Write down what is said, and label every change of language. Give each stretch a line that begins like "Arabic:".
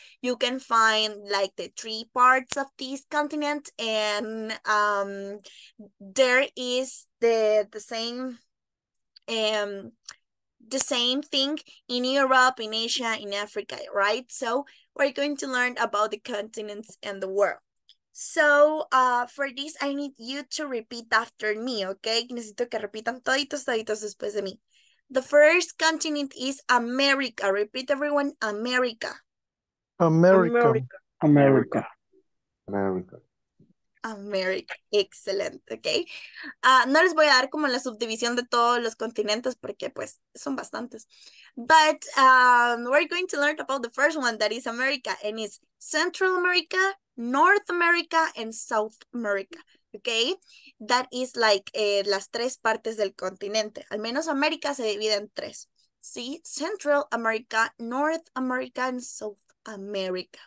English: You can find like the three parts of this continent, and there is the same thing in Europe, in Asia, in Africa, right? So we're going to learn about the continents and the world. So for this, I need you to repeat after me, okay?
Spanish: Necesito que repitan toditos, toditos después de mí.
English: The first continent is America. Repeat everyone, America. America. America. America. America. Excellent. Okay.
Spanish: No les voy a dar como la subdivisión de todos los continentes porque pues son bastantes.
English: But we're going to learn about the first one that is America, and it's Central America, North America, and South America. Okay. That is like
Spanish: las tres partes del continente. Al menos América se divide en tres. ¿Sí?
English: Central America, North America, and South America.
Spanish: America.